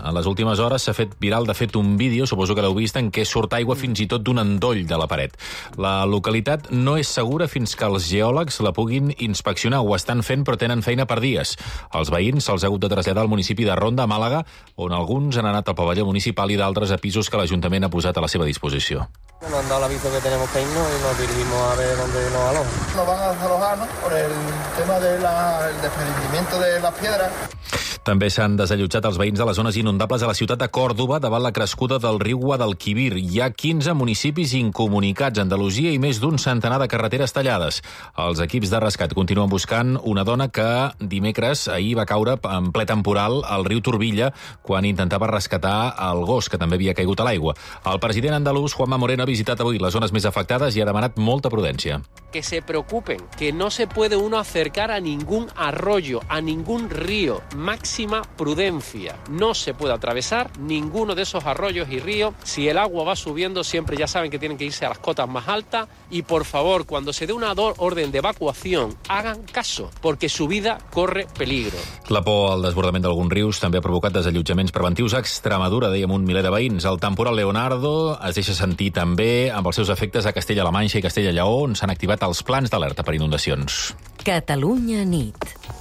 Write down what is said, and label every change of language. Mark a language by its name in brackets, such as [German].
[Catalan] En les últimes hores s'ha fet viral, de fet, un vídeo, suposo que l'heu vist, en què surt aigua fins i tot d'un endoll de la paret. La localitat no és segura fins que els geòlegs la puguin inspeccionar. Ho estan fent, però tenen feina per dies. Els veïns se'ls ha hagut de traslladar al municipi de Ronda, a Màlaga, on alguns han anat al pavelló municipal i d'altres a pisos que l'Ajuntament ha posat a la seva disposició. [Spanish] Nos han dado el aviso que tenemos que irnos y nos dirigimos a ver dónde nos alojan. Nos van a alojar, ¿no?, por el tema del desprendimiento de las piedras. [Catalan] També s'han desallotjat els veïns de les zones inundables a la ciutat de Còrdoba davant la crescuda del riu Guadalquivir. Hi ha 15 municipis incomunicats a Andalusia i més d'un centenar de carreteres tallades. Els equips de rescat continuen buscant una dona que dimecres, ahir, va caure en ple temporal al riu Turbilla quan intentava rescatar el gos, que també havia caigut a l'aigua. El president andalús, Juanma Moreno, ha visitat avui les zones més afectades i ha demanat molta prudència. [Spanish] Que se preocupen, que no se puede uno acercar a ningún arroyo, a ningún río. Máxima prudencia. No se puede atravesar ninguno de esos arroyos y ríos. Si el agua va subiendo, siempre ya saben que tienen que irse a las cotas más altas. Y por favor, cuando se dé una orden de evacuación, hagan caso, porque su vida corre peligro. [Catalan] La por al desbordament d'alguns rius també ha provocat desallotjaments preventius a Extremadura, dèiem, un miler de veïns. El temporal Leonardo es deixa sentir també amb els seus efectes a Castella-La Manxa i Castella-Lleó, on s'han activat els plans d'alerta per inundacions. Catalunya nit.